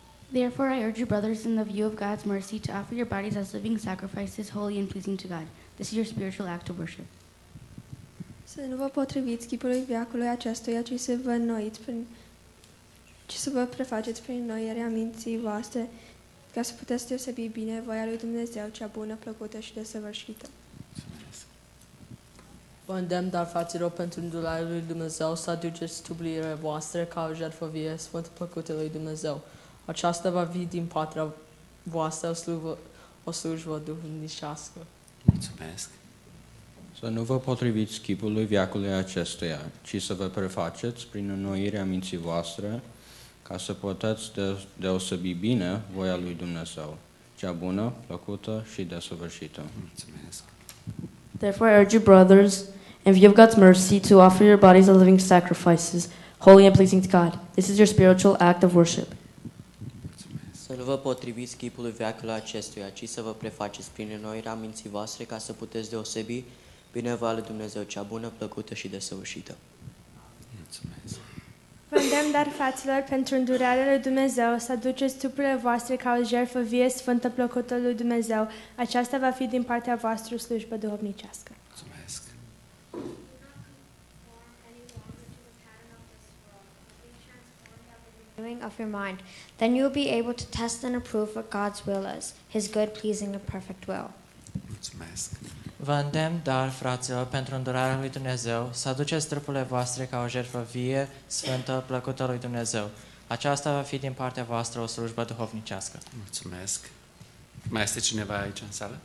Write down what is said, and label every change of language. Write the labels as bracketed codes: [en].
[en] Therefore, I urge you, brothers, in the view of God's mercy, to offer your bodies as living sacrifices, holy and pleasing to God. This is your spiritual act of worship. [ro] Să nu vă potriviți chipului veacului acestuia, ci să vă înnoiți prin... ci să vă prefaceți prin înnoirea minții voastre, ca să puteți deosebi bine voia lui Dumnezeu, cea bună, plăcută și desăvârșită. Vă îndemn, dar fraților, pentru îndurarea lui Dumnezeu, să aduceți trupurile voastre ca o jertfă vie, sfântă, plăcută lui Dumnezeu. Aceasta va fi din partea voastră o slujbă duhovnicească. Mulțumesc! Să nu vă potriviți chipului veacului acestuia, ci să vă prefaceți prin înnoirea minții voastre, ca să puteți deosebi bine voia lui Dumnezeu, cea bună, plăcută și desăvârșită. Mulțumesc! [en] Therefore, I urge you, brothers, in view of God's mercy, to offer your bodies as living sacrifices, holy and pleasing to God. This is your spiritual act of worship. [ro] Să nu vă potriviți chipului veacului acestuia, ci să vă prefaceți prin înnoirea minții voastre ca să puteți deosebi binevoia lui Dumnezeu, cea bună, plăcută și desăvârșită. Mulțumesc! Vă îndemn, dar, fraților, pentru îndurarea lui Dumnezeu, să aduceți trupurile voastre ca o jertfă vie, sfântă, plăcută lui Dumnezeu. Aceasta va fi din partea voastră slujbă duhovnicească. Mulțumesc! [en] Of your mind, then you will be able to test and approve what God's will is, His good, pleasing, and perfect will. [ro] Mulțumesc. Vă îndemn, dar, fraților, pentru îndurarea lui Dumnezeu, să aduceți trupurile voastre ca o jertfă vie, sfântă, plăcută lui Dumnezeu. Aceasta va fi din partea voastră o slujbă duhovnicească. Mulțumesc. Mai este cineva aici în sală?